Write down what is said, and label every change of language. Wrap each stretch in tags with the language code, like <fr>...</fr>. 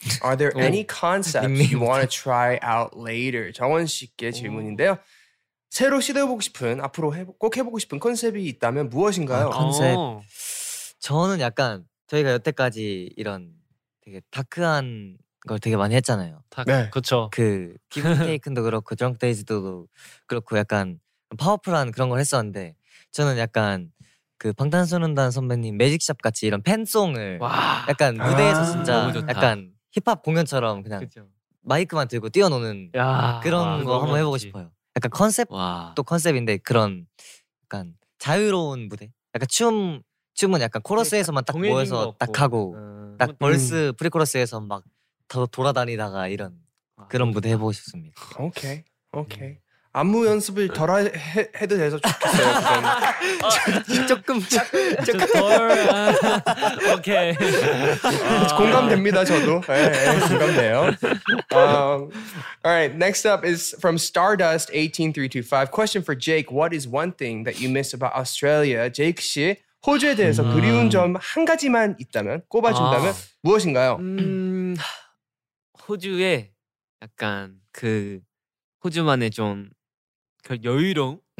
<en>Are there any concepts you want to try out later?</en> <ko>정원 씨께 질문인데요. 새로 시도해보고 싶은 앞으로 꼭 해보고 싶은 컨셉이 있다면 무엇인가요? 컨셉. 저는 약간 저희가 여태까지 이런 되게 다크한 걸 되게 많이 했잖아요. 네. 그렇죠. 그 기본 테이큰도 그렇고 드렁데이즈도 그렇고 약간 파워풀한 그런 걸 했었는데 저는 약간 그 방탄소년단 선배님 매직샵 같이 이런 팬송을 와. 약간 무대에서 진짜 약간 힙합 공연처럼 그냥 그쵸. 마이크만 들고 뛰어노는 야. 그런 와, 거 한번 해보고 그렇지. 싶어요. 약간 컨셉 와. 또 컨셉인데 그런 약간 자유로운 무대 약간 춤 춤은 약간 코러스에서만 딱 모여서 딱 하고 딱 벌스 프리코러스에서 막 더 돌아다니다가 이런 그런 무대 해보고 싶습니다. 오케이 오케이 안무 연습을 덜 해도 돼서 좋겠어요. 조금 조금 덜 오케이 공감됩니다 저도 공감돼요.</ko> <en>Alright, next up is from Stardust 18325. Question for Jake: What is one thing that you miss about Australia?</en> <ko>Jake 씨 호주에 대해서 그리운 점 한 가지만 있다면 꼽아준다면 무엇인가요? 호주의 약간 그 호주만의 좀 그런 여유로움</ko>